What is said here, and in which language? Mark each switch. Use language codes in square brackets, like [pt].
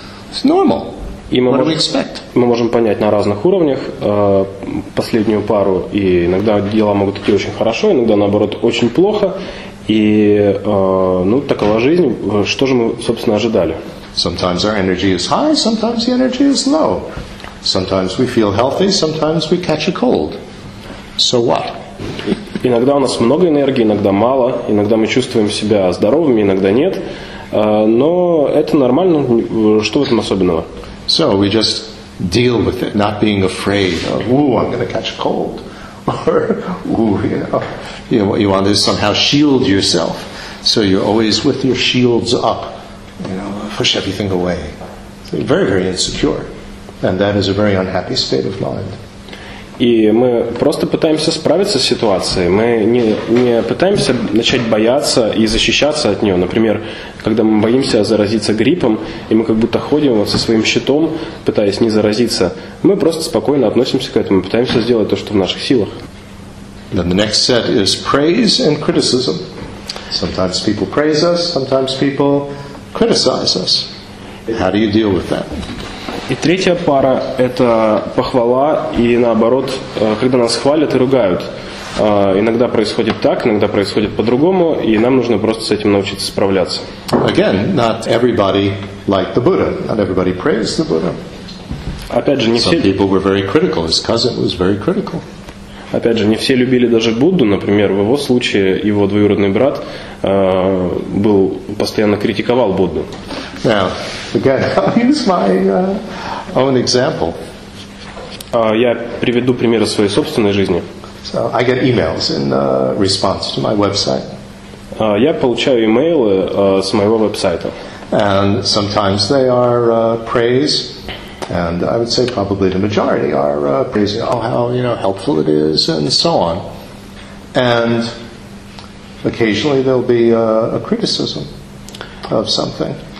[en] It's normal. What do we expect? [ru] Мы можем понять на разных уровнях последнюю пару, и иногда дела могут идти очень хорошо, иногда наоборот очень плохо, и ну такова жизнь. Что же мы, собственно, ожидали? [en] Sometimes our energy is high, sometimes the energy is low. Sometimes we feel healthy, sometimes we catch a cold. So what? [ru] Иногда у нас много энергии, иногда мало, иногда мы чувствуем себя здоровыми, иногда нет. Но это нормально. Что в этом особенного? [en] So we just deal with it, not being afraid of, ooh, I'm going to catch a cold. Or, ooh, you know, what you want is somehow shield yourself. So you're always with your shields up, you know, push everything away. So you're very, very insecure. And that is a very unhappy state of mind. [ru] И мы просто пытаемся справиться с ситуацией. Мы не пытаемся начать бояться и защищаться от нее. Например, когда мы боимся заразиться гриппом, и мы как будто ходим вот со своим щитом, пытаясь не заразиться, мы просто спокойно относимся к этому, пытаемся сделать то, что в наших силах. [en] Then the next set is praise and criticism. Sometimes people praise us, sometimes people criticize us. How do you deal with that? [ru] И третья пара – это похвала и, наоборот, когда нас хвалят и ругают. Иногда происходит так, иногда происходит по-другому, и нам нужно просто с этим научиться справляться. [en] Again, not everybody liked the Buddha. Not everybody praised the Buddha. [ru] Опять же, не [en] Some [ru] все... [en] people were very critical. His cousin was very critical. [ru] Опять же, не все любили даже Будду. Например, в его случае его двоюродный брат был постоянно критиковал Будду. [en] Now, again, I'll use my own example. [ru] Я приведу примеры своей собственной жизни. [en] So I get emails in response to my website. [ru] Я получаю имейлы с моего веб-сайта. [en] And sometimes they are praise. And I would say probably the majority are praising, oh, how, you know, helpful it is, and so on. And occasionally there'll be a criticism of something.